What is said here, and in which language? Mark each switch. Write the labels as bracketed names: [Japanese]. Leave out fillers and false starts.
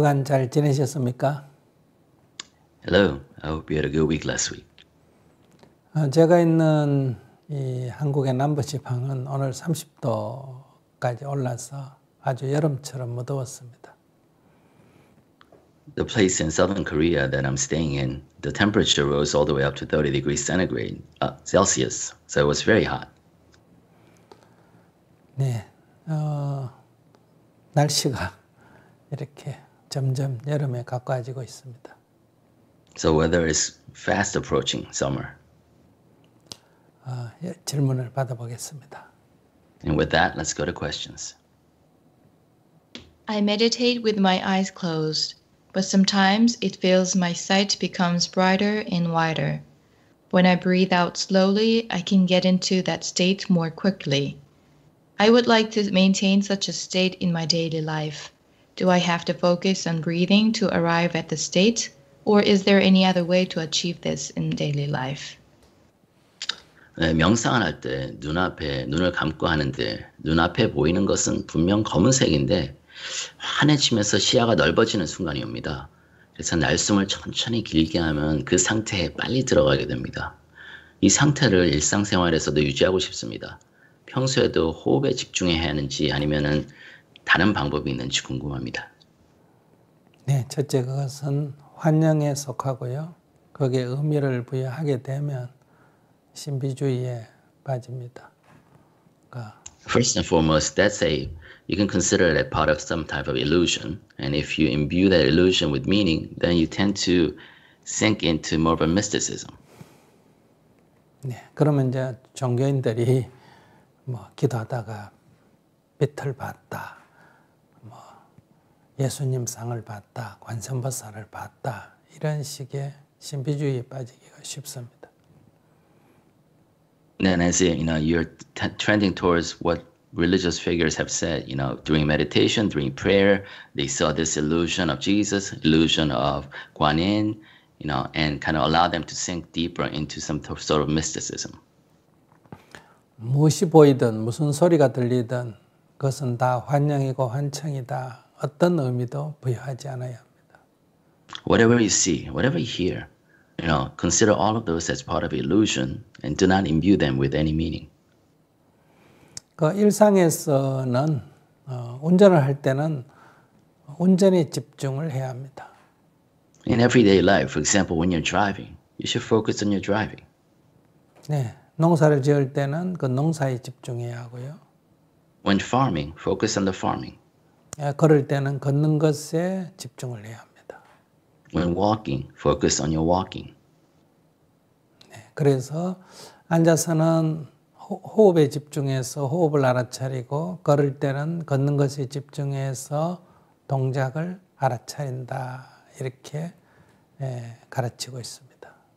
[English] Hello, I hope you had a good week last week. [Korean] 제가 있는 이 한국의 남부 지방은 오늘 30도까지 올라서 아주 여름처럼 무더웠습니다. [English] The place in southern Korea that I'm staying in, the temperature rose all the way up to 30 degrees centigrade, Celsius, so it was very hot. [Korean] 네, 날씨가 이렇게 점점 여름에 가까워지고 있습니다. [English] So weather is fast approaching summer. [Korean] 질문을 받아보겠습니다. [English] And with that, let's go to questions. I meditate with my eyes closed, but sometimes it feels my sight becomes brighter and wider. When I breathe out slowly, I can get into that state more quickly. I would like to maintain such a state in my daily life. Do I have to focus on breathing to arrive at the state, or is there any other way to achieve this in daily life? [Korean] 네, 명상을 할 때 눈앞에 눈을 감고 하는데 눈앞에 보이는 것은 분명 검은색인데 환해지면서 시야가 넓어지는 순간이옵니다. 그래서 날숨을 천천히 길게 하면 그 상태에 빨리 들어가게 됩니다. 이 상태를 일상생활에서도 유지하고 싶습니다. 평소에도 호흡에 집중해야 하는지 아니면은 다른 방법이 있는지 궁금합니다. 네, 첫째 그것은 환영에 속하고요. 거기에 의미를 부여하게 되면 신비주의에 빠집니다. 그러니까 [English] First and foremost, that's a you can consider it a part of some type of illusion. And if you imbue that illusion with meaning, then you tend to sink into more of a mysticism. [Korean] 네, 그러면 이제 종교인들이 뭐 기도하다가 빛을 봤다. 예수님 상을 봤다, 관세음보살을 봤다 이런 식의 신비주의에 빠지기가 쉽습니다. [English] And as you know, you're trending towards what religious figures have said. You know, during meditation, during prayer, they saw this illusion of Jesus, illusion of Guanyin, you know, and kind of allow them to sink deeper into some sort of mysticism. [Korean] 무엇이 보이든 무슨 소리가 들리든 그것은 다 환영이고 환청이다. 어떤 의미도 부여하지 않아야 합니다. [English] Whatever you see, whatever you hear, you know, consider all of those as part of illusion and do not imbue them with any meaning. [Korean] 그 일상에서는 운전을 할 때는 운전에 집중을 해야 합니다. [English] In everyday life, for example, when you're driving, you should focus on your driving. [Korean] 네, 농사를 지을 때는 그 농사에 집중해야 하고요. [English] When farming, focus on the farming. [Korean] 걸을 때는 걷는 것에 집중을 해야 합니다. [English] When walking, focus on your walking. [Korean] 네, 그래서 앉아서는 호흡에 집중해서 호흡을 알아차리고 걸을 때는 걷는 것에 집중해서 동작을 알아차린다 이렇게 가르치고 있습니다.